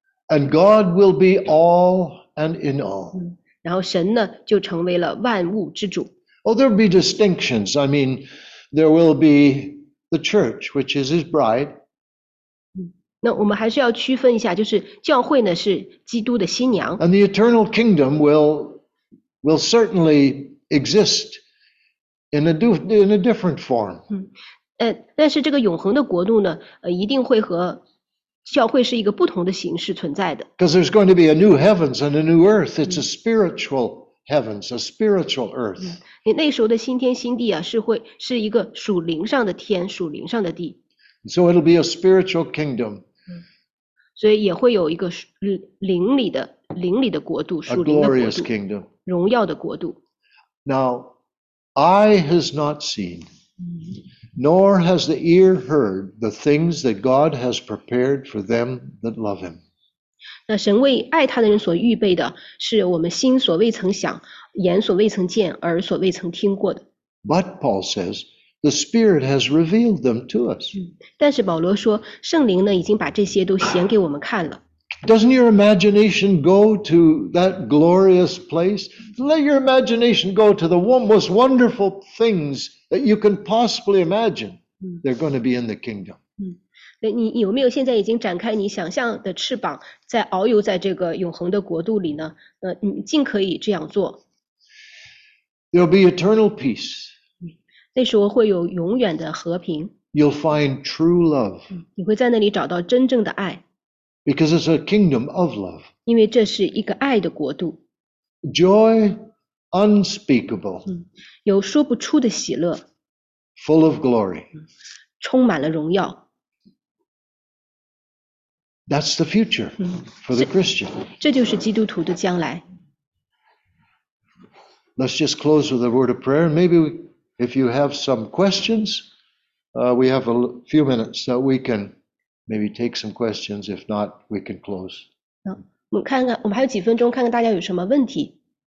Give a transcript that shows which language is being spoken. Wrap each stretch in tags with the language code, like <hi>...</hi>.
<en>And God will be all and in all.</en> <zh>然后神呢，就成为了万物之主。</zh> <en>Oh, there will be distinctions. I mean, there will be the church, which is his bride.</en> <zh>那我们还是要区分一下，就是教会呢是基督的新娘。</zh> <en>And the eternal kingdom will certainly exist in a different form.</en> <zh>但是这个永恒的国度呢，一定会和教会是一个不同的形式存在的。</zh> <en>Because there's going to be a new heavens and a new earth. It's a spiritual heavens, a spiritual earth.</en> <zh>那时候的新天新地啊，是会是一个属灵上的天，属灵上的地。</zh> <en>So it'll be a spiritual kingdom.</en> <zh>所以也会有一个灵里的国度，属灵的国度。</zh> <en>A glorious kingdom.</en> <zh>荣耀的国度。</zh> <en>Now, eye has not seen, nor has the ear heard the things that God has prepared for them that love Him.</en> <zh>那神为爱他的人所预备的，是我们心所未曾想，眼所未曾见，耳所未曾听过的。</zh> <en>But Paul says. The Spirit has revealed them to us.</en> <zh>但是保罗说，圣灵呢已经把这些都显给我们看了。</zh> <en>Doesn't your imagination go to that glorious place? Let your imagination go to the most wonderful things that you can possibly imagine. They're going to be in the kingdom.</en> <zh>你有没有现在已经展开你想象的翅膀，在遨游在这个永恒的国度里呢？你尽可以这样做。</zh> <en>There'll be eternal peace.</en> <zh>那时候会有永远的和平。</zh> <en>You'll find true love.</en> <zh>你会在那里找到真正的爱。</zh> <en>Because it's a kingdom of love.</en> <zh>因为这是一个爱的国度。</zh> <en>Joy unspeakable.</en> <zh>有说不出的喜乐。</zh> <en>Full of glory.</en> <zh>充满了荣耀。</zh> <en>That's the future for the Christian.</en> <zh>这就是基督徒的将来。</zh> <en>Let's just close with a word of prayer. Maybe weIf you have some questions, we have a few minutes that we can maybe take some questions. If not, we can close.</en> <zh>我们看看，我们还有几分钟，看看大家有什么问题。</zh>